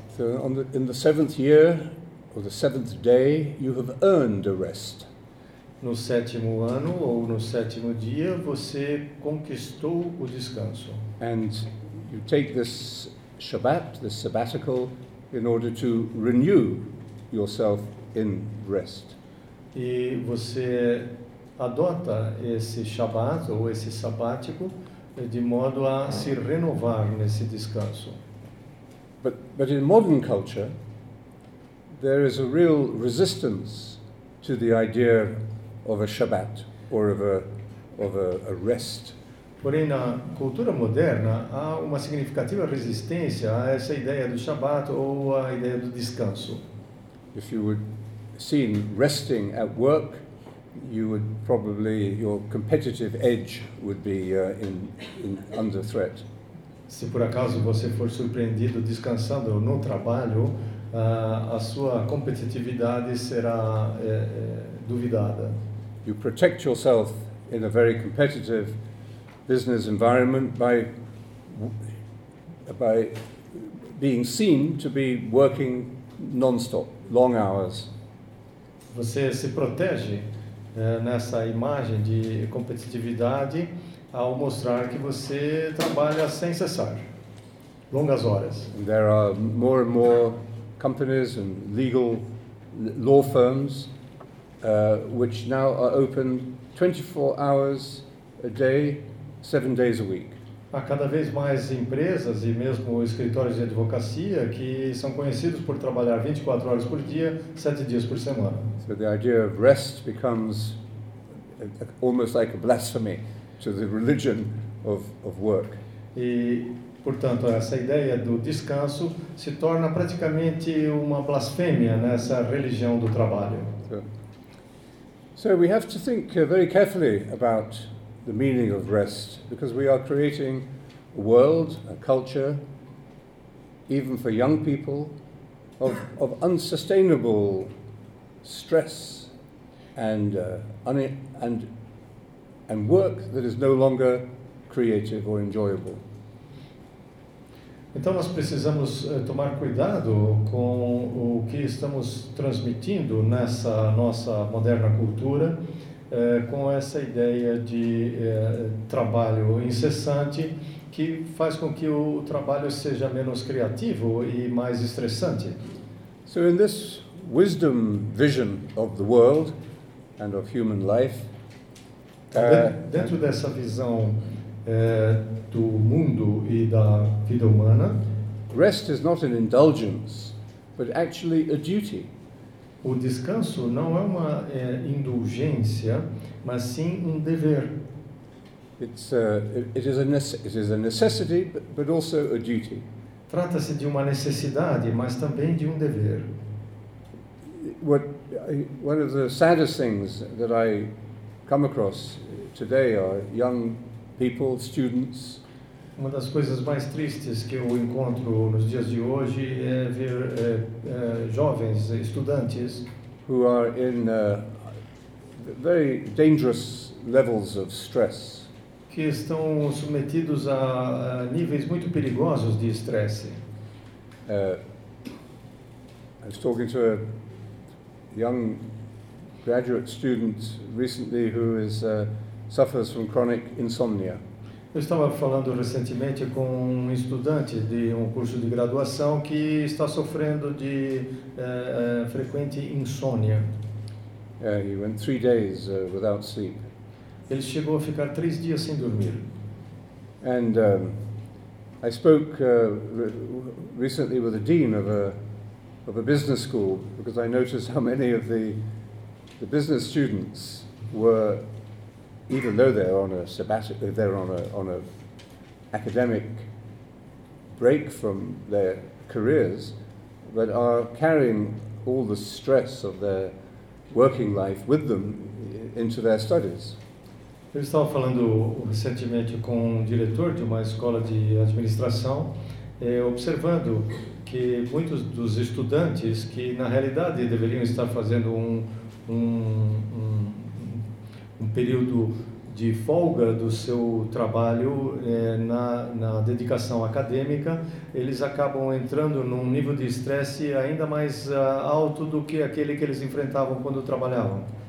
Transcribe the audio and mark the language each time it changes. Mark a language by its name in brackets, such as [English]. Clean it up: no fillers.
[English] So on the, in the seventh year, or the seventh day, you have earned a rest. [Portuguese] No sétimo ano ou no sétimo dia, você conquistou o descanso. [English] And you take this Shabbat, this sabbatical, in order to renew yourself in rest. [Portuguese] E você adota esse Shabbat ou esse sabático de modo a se renovar nesse descanso. [English] But in modern culture, there is a real resistance to the idea of a Shabbat or of a rest. [Portuguese] Porém, na cultura moderna, há uma significativa resistência a essa ideia do Shabbat ou a ideia do descanso. [English] If you would see resting at work, you would probably, your competitive edge would be in under threat. [Portuguese] Se por acaso você for surpreendido descansando no trabalho, a sua competitividade será duvidada. [English] You protect yourself in a very competitive business environment by being seen to be working non-stop, long hours. [Portuguese] Você se protege nessa imagem de competitividade ao mostrar que você trabalha sem cessar, longas horas. [English] And there are more and more companies and legal law firms which now are open 24 hours a day, 7 days a week. [Portuguese] Há cada vez mais empresas e mesmo escritórios de advocacia que são conhecidos por trabalhar 24 horas por dia, 7 dias por semana. [English] So the idea of rest becomes almost like a blasphemy to the religion of work. [Portuguese] E, portanto, essa ideia do descanso se torna praticamente uma blasfêmia nessa religião do trabalho. [English] So we have to think very carefully about the meaning of rest, because we are creating a world, a culture, even for young people, of unsustainable stress and work that is no longer creative or enjoyable. [Portuguese] Então nós precisamos tomar cuidado com o que estamos transmitindo nessa nossa moderna cultura, com essa ideia de trabalho incessante que faz com que o trabalho seja menos criativo e mais estressante. [English] So in this wisdom vision of the world and of human life, [Portuguese] dentro dessa visão do mundo e da vida humana, [English] rest is not an indulgence, but actually a duty. [Portuguese] O descanso não é uma indulgência, mas sim um dever. [English] It is a necessity, but also a duty. [Portuguese] Trata-se de uma necessidade, mas também de um dever. [English] One of the saddest things that I come across today are young people, students. [Portuguese] Uma das coisas mais tristes que eu encontro nos dias de hoje é ver jovens, estudantes, [English] who are in very dangerous levels of stress, [Portuguese] que estão submetidos a níveis muito perigosos de estresse. [English] I was talking to a young graduate student recently who suffers from chronic insomnia. [Portuguese] Eu estava falando recentemente com um estudante de um curso de graduação que está sofrendo de frequente insônia. [English] He went 3 days without sleep. [Portuguese] Ele chegou a ficar 3 dias sem dormir. [English] And I spoke recently with the dean of a business school, because I noticed how many of the business students were, even though they're on a sabbatical, they're on a academic break from their careers, but are carrying all the stress of their working life with them into their studies. [Portuguese] Eu estava falando recentemente com um diretor de uma escola de administração, observando que muitos dos estudantes que na realidade deveriam estar fazendo um período de folga do seu trabalho na dedicação acadêmica, eles acabam entrando num nível de estresse ainda mais alto do que aquele que eles enfrentavam quando trabalhavam.